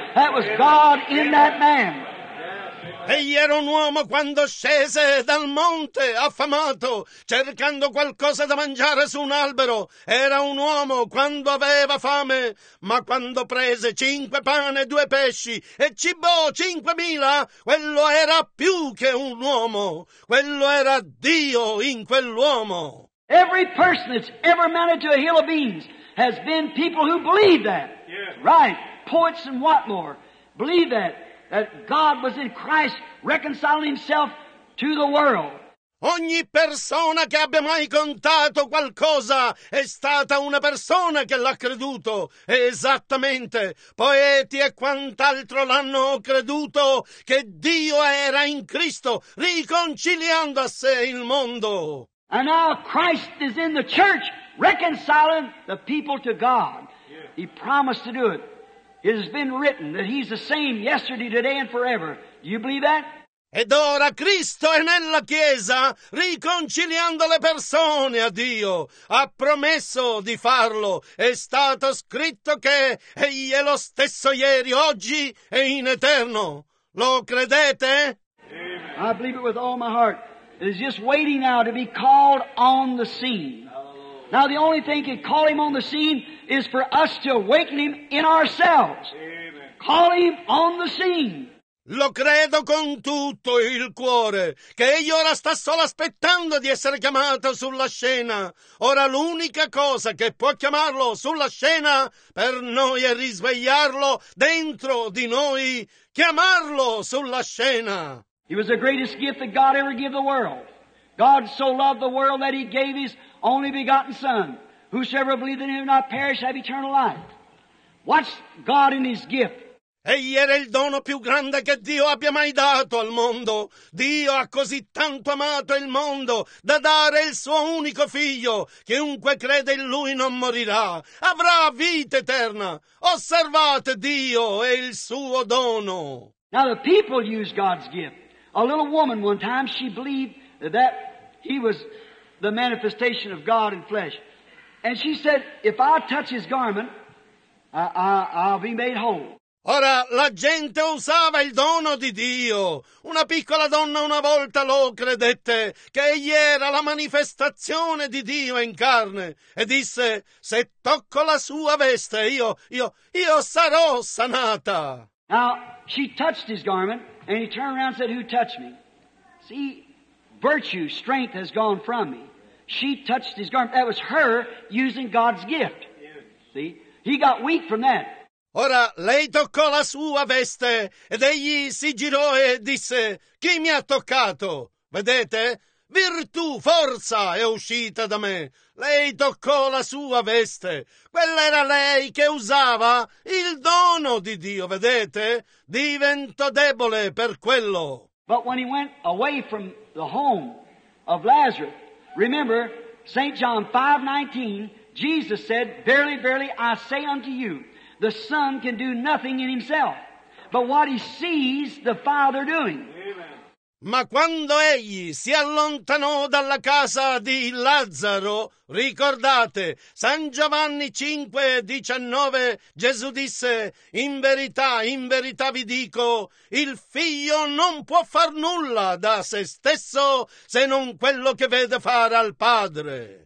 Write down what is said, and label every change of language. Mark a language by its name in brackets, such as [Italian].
[English] That was God in that man. [Italian] Egli era un uomo quando scese dal monte affamato, cercando qualcosa da mangiare su un albero. Era un uomo quando aveva fame, ma quando prese 5 pane e 2 pesci e cibò 5,000, quello era più che un uomo. Quello era Dio in quell'uomo. [English] Every person that's ever mounted to a hill of beans has been people who believe that. Yeah. Right. Poets and Watmore believe that. That God was in Christ reconciling himself to the world. [Italian] Ogni persona che abbia mai contato qualcosa è stata una persona che l'ha creduto. Esattamente. Poeti e quant'altro l'hanno creduto che Dio era in Cristo riconciliando a sé il mondo. [English] And now Christ is in the church reconciling the people to God. Yeah. He promised to do it. It has been written that he's the same yesterday, today and forever. Do you believe that? [Italian] Ed ora Cristo è nella Chiesa riconciliando le persone a Dio. Ha promesso di farlo. È stato scritto che egli è lo stesso ieri, oggi e in eterno. Lo credete? [English] I believe it with all my heart. It is just waiting now to be called on the scene. Now the only thing can call him on the scene is for us to awaken him in ourselves. Amen. Call him on the scene. [Italian] Lo credo con tutto il cuore che egli ora sta solo aspettando di essere chiamato sulla scena. Ora l'unica cosa che può chiamarlo sulla scena per noi è risvegliarlo dentro di noi. Chiamarlo sulla scena. [English] He was the greatest gift that God ever gave the world. God so loved the world that he gave his only begotten Son. Whosoever believeth in him not perish, have eternal life. What's God in his gift? [Italian] Egli era il dono più grande che Dio abbia mai dato al mondo. Dio ha così tanto amato il mondo da dare il suo unico figlio. Chiunque crede in lui non morirà. Avrà vita eterna. Osservate Dio e il suo dono. [English] Now the people use God's gift. A little woman one time, she believed that he was the manifestation of God in flesh. And she said, if I touch his garment, I'll be made whole. [Italian] Ora, la gente usava il dono di Dio. Una piccola donna una volta lo credette, che egli era la manifestazione di Dio in carne, e disse, se tocco la sua veste, io sarò sanata. [English] Now, she touched his garment, and he turned around and said, who touched me? See, virtue, strength has gone from me. She touched his garment. That was her using God's gift. See, he got weak from that. [Italian] Ora, lei toccò la sua veste, ed egli si girò e disse, chi mi ha toccato? Vedete? Virtù, forza, è uscita da me. Lei toccò la sua veste. Quella era lei che usava il dono di Dio, vedete? Diventò debole per quello. [English] But when he went away from the home of Lazarus, remember, St. John 5:19, Jesus said, verily, verily, I say unto you, the Son can do nothing in himself, but what he sees the Father doing. [Italian] Ma quando egli si allontanò dalla casa di Lazzaro, ricordate, San Giovanni 5:19, Gesù disse, in verità vi dico, il figlio non può far nulla da se stesso se non quello che vede fare al Padre.